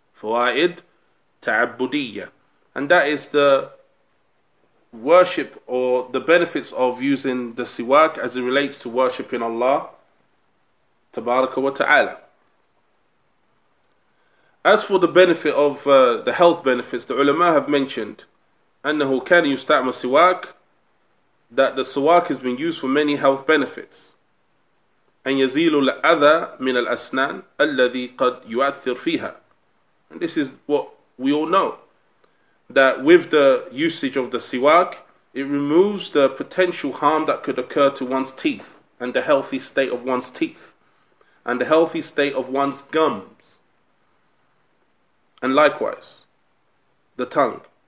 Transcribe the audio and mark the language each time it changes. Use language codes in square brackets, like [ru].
[en] Fawa'id ta'abudiyya. And that is the worship or the benefits of using the siwak as it relates to worshipping Allah Tabaraka wa ta'ala. As for the benefit of the health benefits, the ulama have mentioned [ar] أنه كان يستعمل سواك, [en] that the siwak has been used for many health benefits. [ar] أن يزيل الأذى من الأسنان الذي قد يؤثر فيها. [en] And this is what we all know, that with the usage of the siwak, it removes the potential harm that could occur to one's teeth and the healthy state of one's teeth and the healthy state of one's gums, and likewise, the tongue.